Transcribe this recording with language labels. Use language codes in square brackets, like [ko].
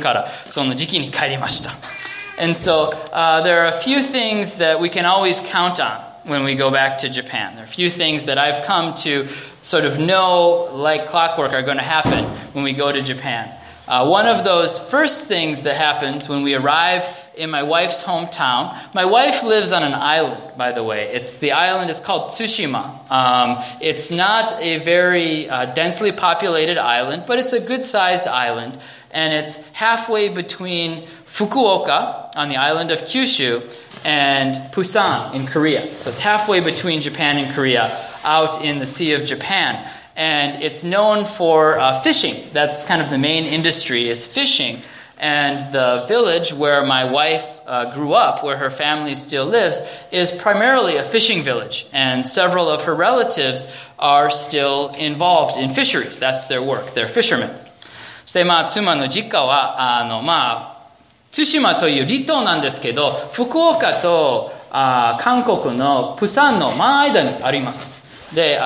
[ja] まあ、5月、4月、5月は、あの、まあ、季節もいいし、あの、息子はちょうど6月生まれですから、まあ、2月になる前に、あの、無料で飛行機に乗られるから、その時期に帰りました。 [en] And so, there are a few things that we can always count on when we go back to Japan. There are a few things that I've come to sort of know like clockwork are going to happen when we go to Japan. One of those first things that happens when we arrive in my wife's hometown. My wife lives on an island, by the way. The island is called Tsushima. It's not a very densely populated island, but it's a good-sized island. And it's halfway between Fukuoka on the island of Kyushu and Busan in Korea. So it's halfway between Japan and Korea out in the Sea of Japan. And it's known for fishing. That's kind of the main industry is fishing. And the village where my wife grew up, where her family still lives, is primarily a fishing village. And several of her relatives are still involved in fisheries. That's their work. They're fishermen. [ja] そして、まあ、妻の実家は、あの、まあ、対馬という離島なんですけど、福岡と韓国のプサンの真間にあります。